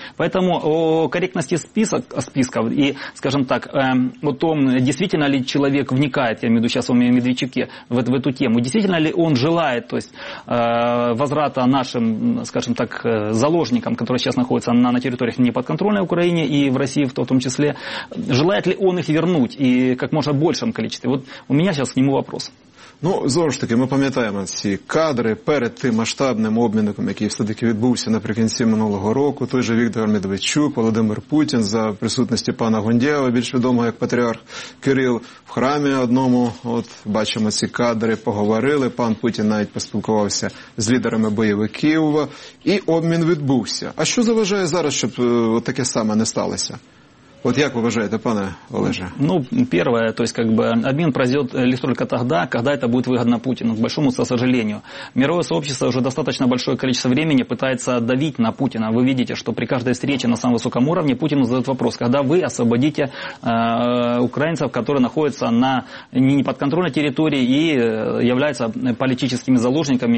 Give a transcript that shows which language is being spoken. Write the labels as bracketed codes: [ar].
[ru] Поэтому о корректности списков и, скажем так, о том, действительно ли человек вникает, я имею в виду сейчас о Медведчуке, в эту тему, действительно ли он желает, то есть, возврата нашим, скажем так, заложникам, которые сейчас находятся на территориях неподконтрольной Украине и в России в том числе, желает ли он их вернуть и как можно большем количестве? Вот у меня сейчас к нему вопрос. [uk] Ну, знову ж таки, ми пам'ятаємо ці кадри перед тим масштабним обміником, який все-таки відбувся наприкінці минулого року. Той же Віктор Медведчук, Володимир Путін за присутності пана Гундєва, більш відомого як патріарх Кирил, в храмі одному. От бачимо ці кадри, поговорили, пан Путін навіть поспілкувався з лідерами бойовиків, і обмін відбувся. А що заважає зараз, щоб таке саме не сталося? [ru] Вот как вы уважаете, пане Олеже? Ну, первое, то есть как бы обмен произойдет лишь только тогда, когда это будет выгодно Путину, к большому сожалению. Мировое сообщество уже достаточно большое количество времени пытается давить на Путина. Вы видите, что при каждой встрече на самом высоком уровне Путину задают вопрос, когда вы освободите украинцев, которые находятся на неподконтрольной территории и являются политическими заложниками